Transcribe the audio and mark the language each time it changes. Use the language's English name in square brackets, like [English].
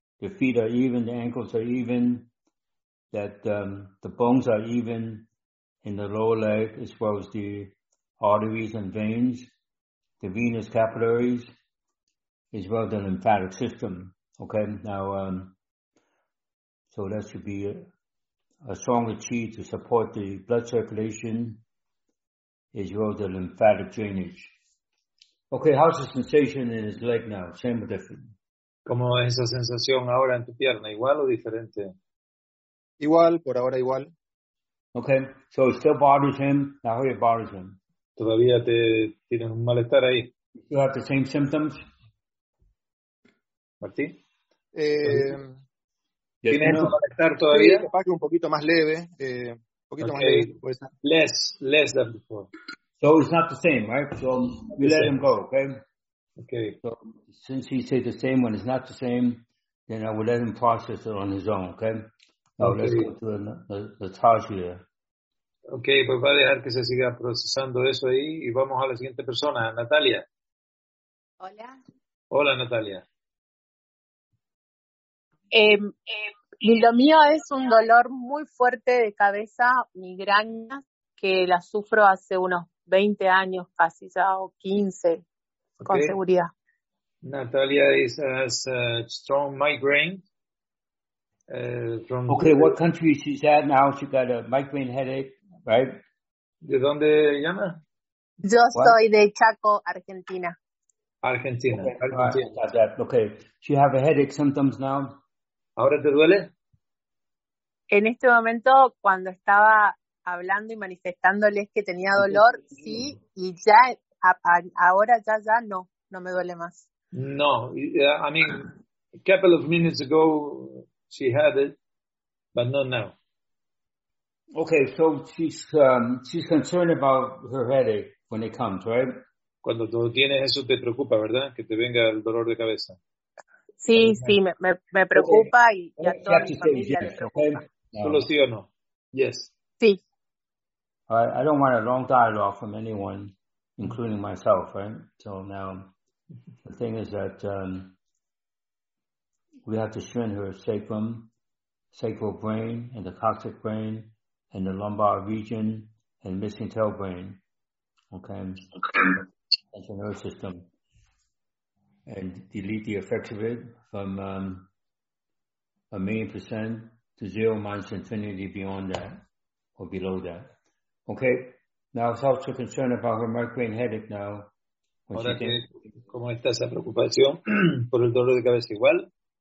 [English] The feet are even, the ankles are even, that the bones are even in the lower leg as well as the arteries and veins, the venous capillaries, as well as the lymphatic system. Okay, now, so that should be a stronger chi to support the blood circulation as well as the lymphatic drainage. Okay, how's the sensation in his leg now? Same or different? [Spanish] ¿Cómo es esa sensación ahora en tu pierna? ¿Igual o diferente? Igual, por ahora igual. [English] Okay, so it still bothers him. Now how it bothers him? [Spanish] ¿Todavía te tienes un malestar ahí? [English] You have the same symptoms? [Spanish] ¿Martín? ¿Tiene un malestar todavía? Capaz que un poquito más leve. Más leve. [English] Less than before. So it's not the same, right? So we let him go, okay? Okay. So since he said the same when it's not the same, then I will let him process it on his own, okay? Now okay. Let's go to the Taj here. [Spanish] Okay, pues va a dejar que se siga procesando eso ahí y vamos a la siguiente persona, Natalia. Hola. Hola, Natalia. Lo mío es un dolor muy fuerte de cabeza, migraña, que la sufro hace unos 20 años casi ya, o 15, con seguridad. [English] Natalia is a strong migraine. What country she's at now? She got a migraine headache, right? [Spanish] ¿De dónde llama? Yo soy de Chaco, Argentina. Argentina. [English] Okay. She have a headache symptoms now. [Spanish] ¿Ahora te duele? En este momento, cuando estaba hablando y manifestándoles que tenía dolor, sí, y ya, ahora ya no me duele más. [English] No, I mean, a couple of minutes ago she had it, but not now. Okay, so she's concerned about her headache when it comes, right? [Spanish] Cuando tú tienes eso te preocupa, ¿verdad? Que te venga el dolor de cabeza. Sí, sí, me preocupa y a toda mi familia le preocupa. ¿Solo sí o no? Yes. Sí. [English] I don't want a long dialogue from anyone, including myself, right? So now, the thing is that we have to strain her sacral brain and the coccyx brain and the lumbar region and missing tail brain, okay? That's the nervous system. And delete the effects of it from a 1,000,000% to 0 minus infinity beyond that or below that. Okay. Now, I was also concerned about her migraine headache now. [Spanish] Ahora, ¿cómo está esa preocupación por el dolor de cabeza igual?